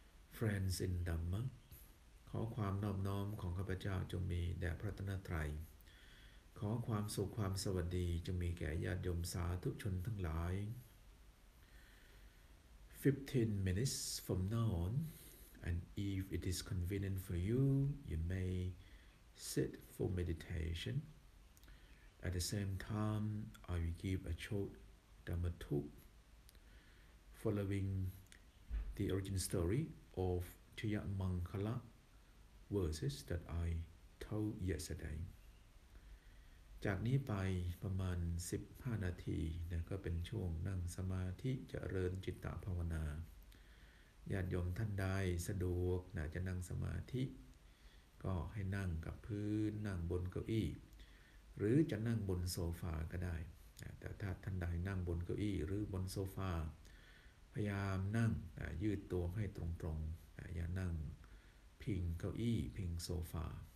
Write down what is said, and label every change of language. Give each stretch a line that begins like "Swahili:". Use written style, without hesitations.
English: Friends in Dhamma,
Thai: ขอความนอบน้อมของข้าพเจ้าจงมีแด่พระรัตนตรัยขอความสุขความสวัสดีจงมีแก่ญาติโยมสาธุชนทั้งหลาย
English: 15 minutes from now on, and if it is convenient for you, you may sit for meditation. At the same time, I will give a short Dhamma talk following the origin story of Chiyamangkala verses that I told yesterday.
Thai: จากนี้ไปประมาณ15นาทีนะก็เป็นช่วงนั่งสมาธิเจริญจิตตภาวนาญาติโยมท่านใดสะดวกนะจะนั่งสมาธิก็ให้นั่งกับพื้นนั่งบนเก้าอี้หรือจะนั่งบนโซฟาก็ได้แต่ถ้าท่านใดนั่งบนเก้าอี้หรือบนโซฟาพยายามนั่งยืดตัวให้ตรงๆอย่านั่งพิงเก้าอี้พิงโซฟา